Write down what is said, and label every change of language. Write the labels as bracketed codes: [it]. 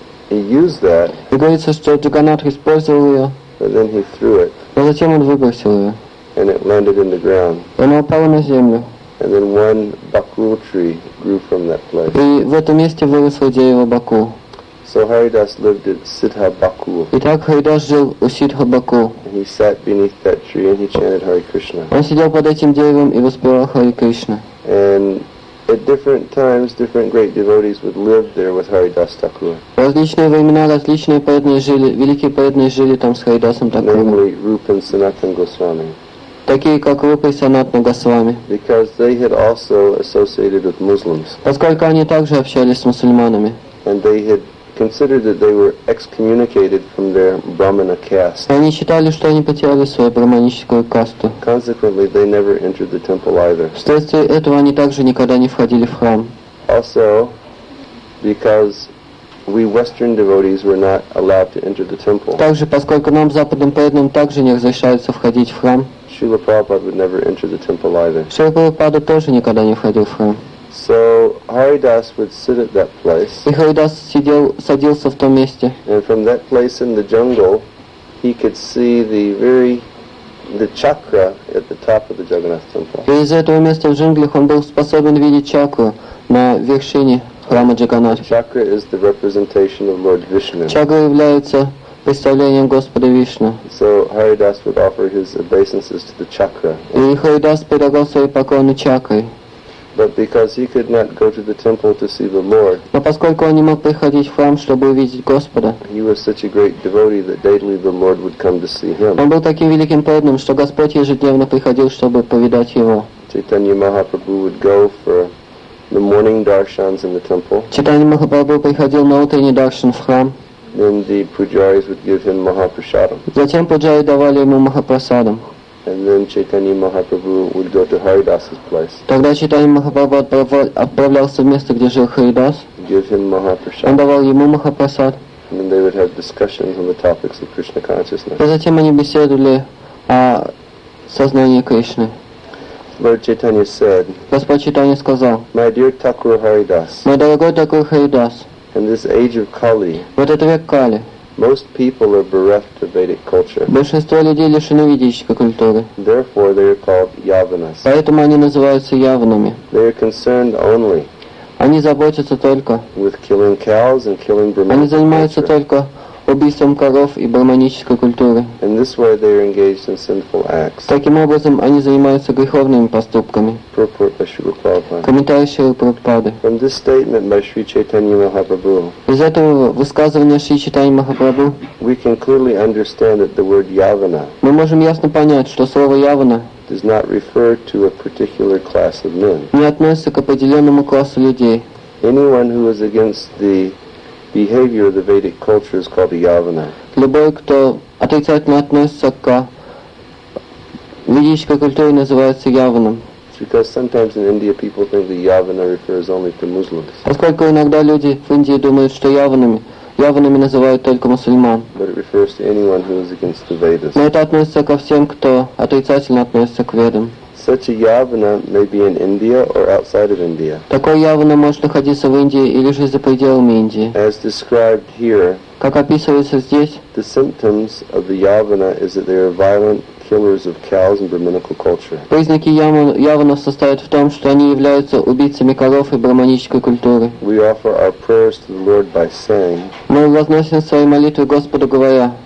[ru] И говорится, что Джаганатх использовал ее, но затем он выбросил ее. [en] And it landed in the ground. [ru] Она упала на землю. [en] And then one Bakul tree grew from that place. [ru] И в этом месте выросло дерево Бакул. [en] So Haridas lived at Siddha Bakul. [ru] Итак, Харидас жил у Сиддха Бакул. [en] He sat beneath that tree and he chanted Hare Krishna. [ru] Он сидел под этим деревом и воспевал Хари Кришна. [en] And at different times, different great devotees would live there with Haridas Thakur. [ru] В различные времена различные преданные жили, великие преданные жили там с Харидасом Такуром. [en] Namely, Rupa and Sanatana Goswami. [ru] Такие как Рупа и Санатана Госвами. [en] Because they had also associated with Muslims. [ru] Поскольку они также общались с мусульманами. [en] And they had considered that they were excommunicated from their Brahmana caste. [ru] Они считали, что они потеряли свою брахманическую касту. [en] Consequently, they never entered the temple either. [ru] Вследствие этого они также никогда не входили в храм. [en] Also, because we Western devotees were not allowed to enter the temple. [ru] Также, поскольку нам западным преданным также не разрешается входить в храм. [en] Srila Prabhupada would never enter the temple either. [ru] Srila Prabhupada тоже никогда не входил в храм. [en] So Haridas would sit at that place. [ru] И Харидас сидел, садился в том месте. [en] And from that place in the jungle, he could see the chakra at the top of the Jagannath temple. [ru] И из этого места в джунглях он был способен видеть чакру на вершине храма Джаганнатха. [en] Chakra is the representation of Lord Vishnu. [ru] Чакра является представлением Господа Вишну. [en] So Haridas would offer his obeisances to the chakra. [ru] И Харидас предлагал свои поклоны чакре. [en] But because he could not go to the temple to see the Lord, [ru] но поскольку он не мог приходить в храм, чтобы увидеть Господа, [en] he was such a great devotee that daily the Lord would come to see him. [ru] Он был таким великим преданным, что Господь ежедневно приходил, чтобы повидать его. [en] Chaitanya Mahaprabhu would go for the morning darshans in the temple. [ru] Chaitanya Mahaprabhu приходил на утренний даршан в храм. [en] Then the pujaris would give him mahaprasadam. [ru] Затем пуджари давали ему махапрасадам. [en] And then Chaitanya Mahaprabhu would go to Haridas's place. [ru] Тогда Чайтанья Махапрабху отправлялся в место, где жил Харидас. [en] Give him mahaprasad. [ru] Он давал ему махапрасад. [en] And then they would have discussions on the topics of Krishna consciousness. [ru] И затем они беседовали о сознании Кришны. [en] Lord Chaitanya said. [ru] Господь Чайтанья сказал. [en] My dear Thakur Haridas. [ru] Мой дорогой Такур Харидас. [en] In this age of Kali. [ru] В этот век Кали. [en] Most people are bereft of Vedic culture. [ru] Большинство людей лишены ведической культуры. [en] Therefore, they are called yavanas. [ru] Поэтому они называются яванами. [en] They are concerned only. [ru] Они заботятся только. [en] With killing cows and killing brahmanic culture. [ru] Они занимаются только убийством коров и брахманической культуры. [en] In this way, they are engaged in sinful acts. [ru] Таким образом, они занимаются греховными поступками. Комментарий Шрилы Прабхупады. [en] From this statement by Sri Chaitanya Mahaprabhu. [ru] Из этого высказывания Шри Чайтаньи Махапрабху. [en] We can clearly understand that the word yavana. [ru] Мы можем ясно понять, что слово явана. [en] Does not refer to a particular class of men. [ru] Не относится к определенному классу людей. [en] Anyone who is against the behavior of the Vedic culture is called a yavana. [ru] Любой, кто отрицательно относится к ведической культуре, называется яваном. [en] Because sometimes in India people think the yavana refers only to Muslims. [ru] Поскольку иногда люди в Индии думают, что яванами называют только мусульман. [en] But it refers to anyone who is against the Vedas. [ru] Но это относится ко всем, кто отрицательно относится к ведам. [en] Such a yavana may be in India or outside of India. [ru] Такой явана может находиться в Индии или же за пределами Индии. [en] As described here. [ru] Как описывается здесь. [en] The symptoms of the yavana is that they are violent killers of cows and brahmanical culture. [ru] Признаки яванов состоят в том, что они являются убийцами коров и брахманической культуры. [en] We offer our prayers to the Lord by saying. [ru] Мы возносим свои молитвы Господу, говоря.